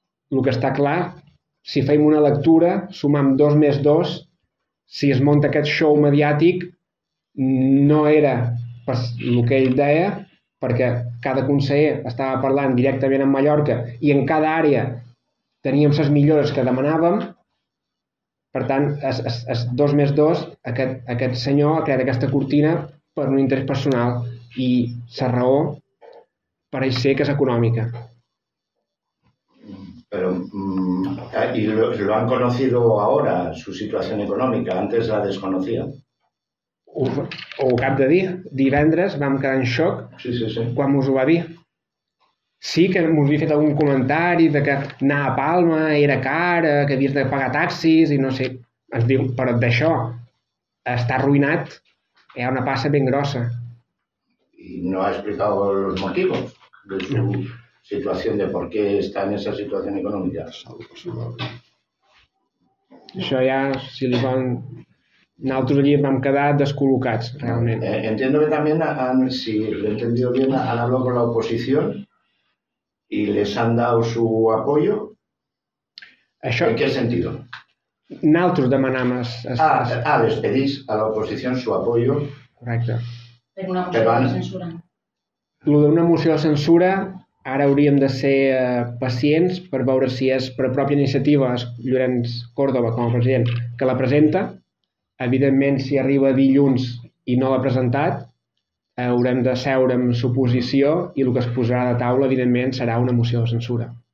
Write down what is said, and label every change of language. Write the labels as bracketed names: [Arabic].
[Catalan] El que està clar, si fem una lectura, sumam 2 + 2, si es munta aquest show mediàtic, no era el que ell deia, perquè cada conseller estava parlant directament amb Mallorca i en cada àrea teníem les millores que demanàvem. Per tant, és 2 + 2, aquest senyor ha creat aquesta cortina per un interès personal i la raó pareix ser que és econòmica. [Spanish] Però, ¿y lo han conocido ahora, su situación económica? ¿Antes la desconocían? [Catalan] Ho cap de dir. Divendres vam quedar en xoc quan ens ho va dir. Sí que ens havia fet algun comentari que anar a Palma era car, que havies de pagar taxis i no sé. Ens diu, però d'això està arruïnat, hi ha una passa ben grossa. I no ha explicat els motius de la situació, de per què està en aquesta situació econòmica. Això ja, si li van... Nosaltres allí vam quedar descol·locats, realment. [Spanish] Entiendo que también, si lo he entendido bien, han hablado con la oposición y les han dado su apoyo. [Catalan] Això... [Spanish] ¿En qué sentido? [Catalan] Nosaltres demanam... [Spanish] Les pedís a la oposición su apoyo. [Catalan] Correcte. Per una moció de censura. Lo d'una moció de censura, ara hauríem de ser pacients per veure si és per pròpia iniciativa Llorenç Córdoba, com a president, que la presenta. Evidentment, si arriba dilluns i no l'ha presentat, haurem de seure amb suposició i el que es posarà de taula, evidentment, serà una moció de censura.